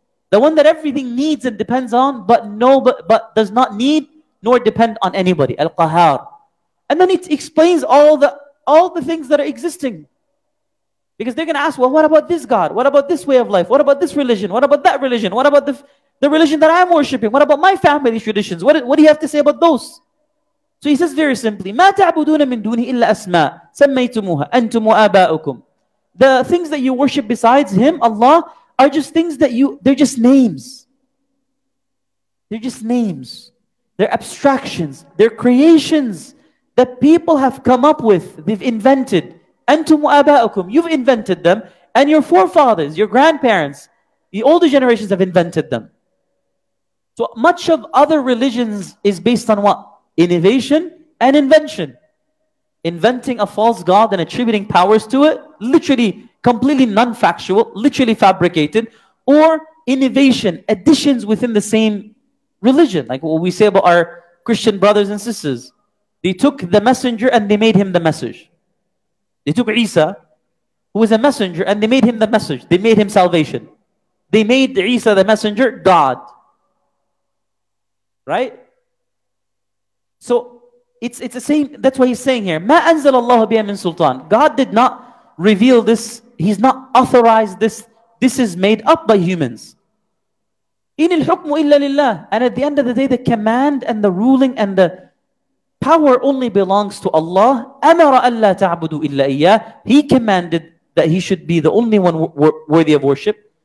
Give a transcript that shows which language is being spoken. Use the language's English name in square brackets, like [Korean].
[English] The one that everything needs and depends on, but does not need nor depend on anybody. Al-Qahhar. And then it explains all the things that are existing. Because they're going to ask, well, what about this God? What about this way of life? What about this religion? What about that religion? What about the religion that I'm worshipping? What about my family traditions? What do you have to say about those? So he says very simply, [Arabic] مَا تَعْبُدُونَ مِن دُونِهِ إِلَّا أَسْمَاءَ سَمَّيْتُمُوهَا أَنْتُمُ وَآبَاؤُكُمْ. [English] The things that you worship besides Him, Allah, are just things that they're just names. They're just names. They're abstractions. They're creations that people have come up with, they've invented. [Arabic] أَنْتُمْ وَآبَاؤُكُمْ. [English] You've invented them. And your forefathers, your grandparents, the older generations have invented them. So much of other religions is based on what? Innovation and invention. inventing a false god and attributing powers to it, literally completely non-factual, literally fabricated, or innovation, additions within the same religion, like what we say about our Christian brothers and sisters. They took the messenger and they made him the message. They took Isa, who was a messenger, and they made him the message. They made him salvation. They made Isa, the messenger, God. Right? So, it's the same. That's what he's saying here. [Arabic] مَا أَنزَلَ اللَّهُ بِهَا مِنْ سُلْطَانِ [English] God did not reveal this. He's not authorized this. This is made up by humans. [Arabic] إِنِ الْحُكْمُ إِلَّا لِلَّهِ [English] And at the end of the day, the command and the ruling and the power only belongs to Allah. [Arabic] أَمَرَ أَلَّا تَعْبُدُوا إِلَّا إِيَّا [English] He commanded that he should be the only one worthy of worship.